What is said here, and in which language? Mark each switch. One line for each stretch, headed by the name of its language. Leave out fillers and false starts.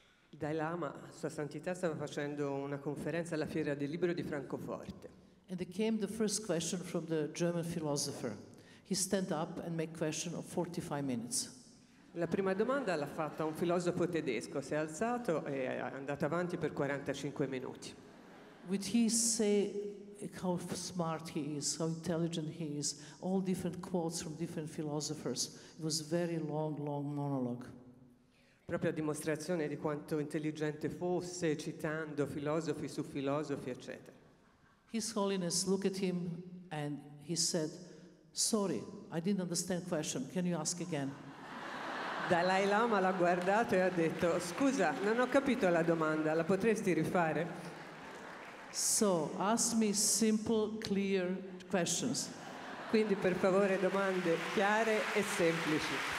Italian: Dalai Lama, Sua Santità, stava facendo una conferenza alla Fiera del Libro di Francoforte.
English: And there came the first question from the German philosopher. He stand up and make question of 45 minutes.
Italian: La prima domanda l'ha fatta un filosofo tedesco, si è alzato e è andato avanti per 45 minuti.
English: Would he say how smart he is, how intelligent he is, all different quotes from different philosophers. It was a very long, long monologue.
Italian: Proprio a dimostrazione di quanto intelligente fosse, citando filosofi su filosofi, eccetera.
English: His Holiness looked at him and he said, sorry, I didn't understand the question, can you ask again?
Italian: Dalai Lama l'ha guardato e ha detto, scusa, non ho capito la domanda, la potresti rifare?
English: So, ask me simple, clear questions.
Italian: Quindi, per favore, domande chiare e semplici.